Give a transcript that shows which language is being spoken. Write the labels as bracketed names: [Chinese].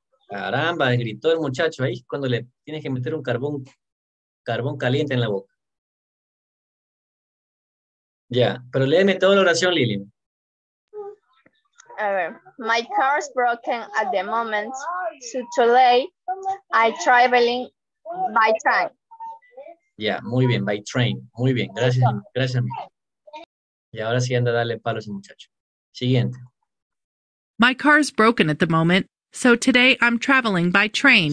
[Spanish] Caramba, gritó el muchacho ahí cuando le tienes que meter un carbón caliente en la boca. Ya, yeah, pero léeme toda la oración, Lili. [English] My car is broken at the moment, so today I'm traveling by train. [Spanish] Yeah, muy bien, [English] by train. [Spanish] Muy bien, gracias. Gracias. Y ahora sí anda a darle palos, muchacho. Siguiente. [English] My car is broken at the moment, so today I'm traveling by train.